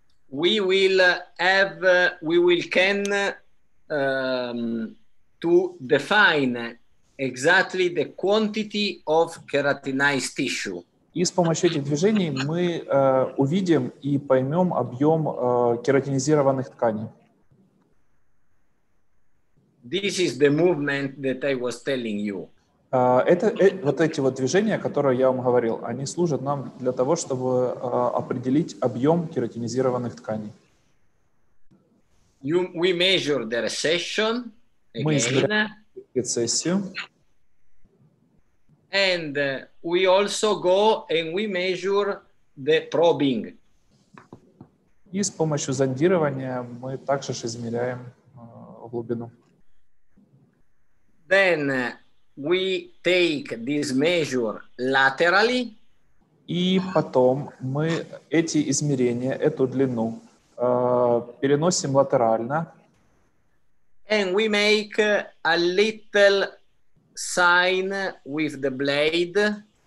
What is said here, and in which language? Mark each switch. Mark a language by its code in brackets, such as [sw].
[en] We will have, we will can to define exactly the quantity of keratinized tissue. [ru] И с помощью этих движений мы увидим и поймем объем кератинизированных тканей. [en] This is the movement that I was telling you. [ru] Вот эти вот движения, которые я вам говорил, они служат нам для того, чтобы определить объем кератинизированных тканей. [en] We measure the recession. [ru] Мы измеряем рецессию. [en] And we also go and we measure the probing. [ru] И с помощью зондирования мы также измеряем глубину. [en] Then we take this measure laterally. [ru] И потом мы эти измерения, эту длину, переносим латерально. [en] And we make a little sign with the blade.